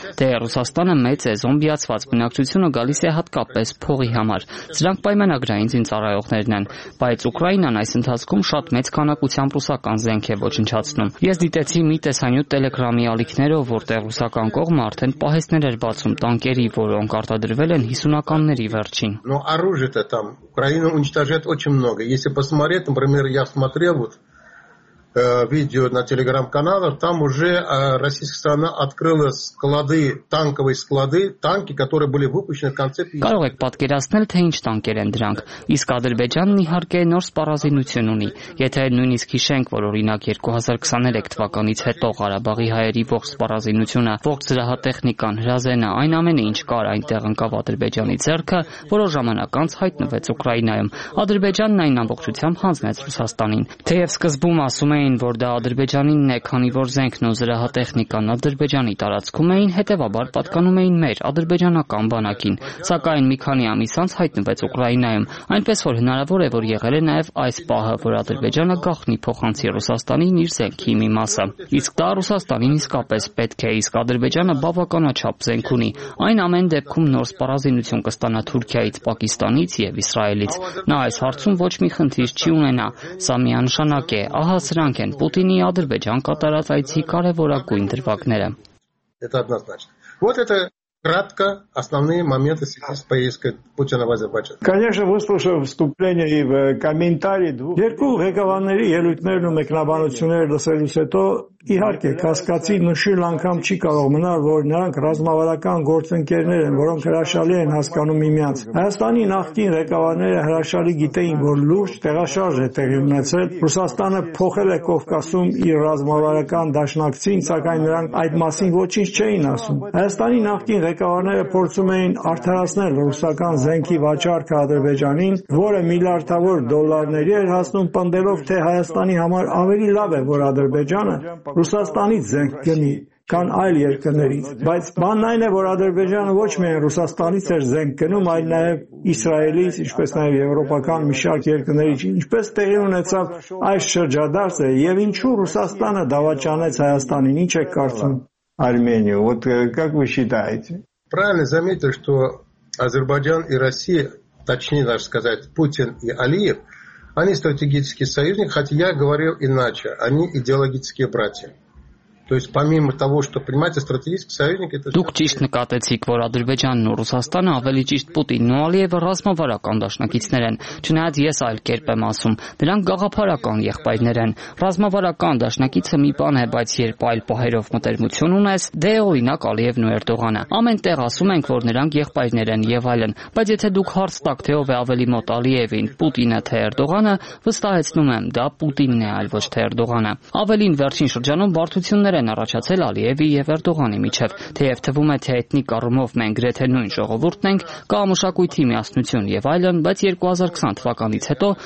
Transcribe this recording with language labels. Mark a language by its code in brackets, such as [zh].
[hy] Դե Ռուսաստանը մեծ է, զոմբիացված բնակչությունը գալիս է հատկապես փողի համար։ Սրանք պայմանագրային ծառայողներն են, բայց Ուկրաինան այս ընթացքում շատ մեծ քանակությամբ ռուսական զենք է ոչնչացնում։ Ես դիտեցի մի տեսանյութ Telegram-ի ալիքներով, որտեղ ռուսական կողմը արդեն պահեսներ էր բացում տանկերի, որոնք արտադրվել են 50-ականների վերջին։ [ru] Но оружие-то там Украина уничтожает очень много. Если посмотреть, например, я смотрел вот видео на Telegram-каналах, там уже российская сторона открыла склады, танковые склады, танки, которые были выпущены в конце... [hy] Կարող եք պատկերացնել, թե ինչ տանկեր են դրանք։ Իսկ Ադրբեջանն իհարկե նոր սպառազինություն ունի։ Եթե նույնիսկ հիշենք, որ օրինակ 2023 թվականից հետո Ղարաբաղի հայերի ողջ սպառազինությունը, ողջ զրահատեխնիկան, հրազենը, այն ամենը, ինչ կար այնտեղ ընկավ Ադրբեջանի ձեռքը, որոշ ժամանակ անց հայտնվեց Ուկրաինայում, Ադրբեջանն այն ամբողջությամբ հանձնեց Ռուսաստանին, թեև սկզբում ասում էին, որ դա Ադրբեջանինն է, քանի որ զենքն ու զրահատեխնիկան Ադրբեջանի տարածքում էին, հետևաբար պատկանում էին մեր ադրբեջանական բանակին, սակայն մի քանի ամիս անց հայտնվեց Ուկրաինայում, այնպես որ հնարավոր է, որ եղել է նաև այս պահը, որ Ադրբեջանը գաղտնի փոխանցի Ռուսաստանին իր զենքի մի մասը, իսկ դա Ռուսաստանին իսկապես պետք է, իսկ Ադրբեջանը բավականաչափ զենք ունի։ Այն ամեն դեպքում նոր սպառազինություն կստանա Թուրքիայից, Պակիստանից և Իսրայելից։ Նա այս հարցում ոչ մի խնդիր չի ունենա, սա միանշանակ է, ահա սրանք են Պուտինի Ադրբեջան կատարած այցի կարևորագույն դրվագները։ [ru] Это однозначно. Вот это кратко основные моменты сейчас поездки Путина в Азербайджан. Конечно, выслушав вступление и комментарии двух [hy] երկու ղեկավարների ելույթներն ու մեկնաբանությունները լսելուց հետո, իհարկե, կասկածի նշիլ անգամ չի կարող մնալ, որ նրանք ռազմավարական գործընկերներ են, որոնք հրաշալի են հասկանում միմյանց։ Հայաստանի նախկին ղեկավարները հրաշալի գիտեին, որ լուրջ տեղաշարժ է տեղի ունեցել։ Ռուսաստանը փոխել է Կովկասում իր ռազմավարական դաշնակցին, սակայն նրանք այդ մասին ոչինչ չէին ասում։ Հայաստանի նախկին ղեկավարները փորձում էին արդարացնել ռուսական զենքի վաճառքը Ադրբեջանին, որը միլիարդավոր դոլարների էր հասնում, պնդելով, թե Հայաստանի համար ավելի լավ է, որ Ադրբեջանը Ռուսաստանից զենք գնի, քան այլ երկրներից, բայց բանն այն է, որ Ադրբեջանը ոչ միայն Ռուսաստանից էր զենք գնում, այլ նաև Իսրայելից, ինչպես նաև եվրոպական մի շարք երկրներից, ինչպես տեղի ունեցավ այս շրջադարձը, և ինչու Ռուսաստանը դավաճանեց Հայաստանին, ինչ եք կարծում [ru] Արմենիա, вот как вы считаете? Правильно заметил, что Азербайджан и Россия, точнее даже сказать, Путин и Алиев, они стратегические союзники, хотя я говорил иначе, они идеологические братья. То есть помимо того, что понимаете, стратегический союзник это [hy] Դուք ճիշտ նկատեցիք, որ Ադրբեջանն ու Ռուսաստանը ավելի ճիշտ Պուտինն ու Ալիևը ռազմավարական դաշնակիցներ են։ Չնայած ես այլ կերպ եմ ասում, դրանք գաղափարական եղբայրներ են։ Ռազմավարական դաշնակիցը մի բան է, բայց երբ այլ պահերով մտերմություն ունես, դե օրինակ Ալիևն ու Էրդողանը։ Ամենտեղ ասում ենք, որ նրանք եղբայրներ են եւ այլն, բայց եթե դուք հարց տաք, թե ով է ավելի մոտ Ալիևին, Պուտինը թե Էրդողանը, վստահեցնում եմ, դա Պուտինն է, այլ ոչ թե Էրդողանը։ Ավելին, վերջին շրջանում բարդություն են առաջացել Ալիևի եւ Էրդողանի միջև, թեև թվում է, թե էթնիկ առումով մենք գրեթե նույն ժողովուրդն ենք, կամ ուշակույթի միասնություն եւ այլն, բայց 2020 թվականից հետո